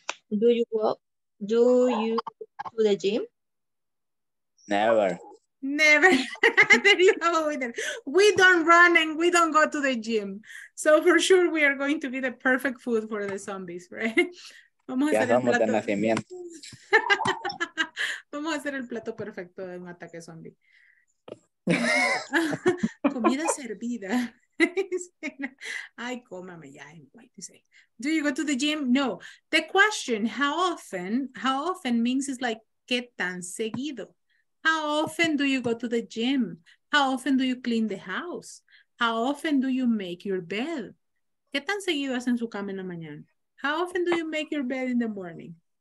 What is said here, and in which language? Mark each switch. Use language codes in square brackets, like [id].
[en] Do you go to the gym? Never. Never. There you have a winner. We don't run and we don't go to the gym. So for sure we are going to be the perfect food for the zombies, right? [es] Vamos ya a hacer somos el plato. De nacimiento. Vamos a hacer el plato perfecto de un ataque zombie. Comida servida. Ay, cómame ya. [en] Do you go to the gym? No. The question, how often means is like, [es] ¿qué tan seguido? [en] How often do you go to the gym? How often do you clean the house? How often do you make your bed? [es] ¿Qué tan seguido hacen su cama en la mañana? [en] How often do you make your bed in the morning?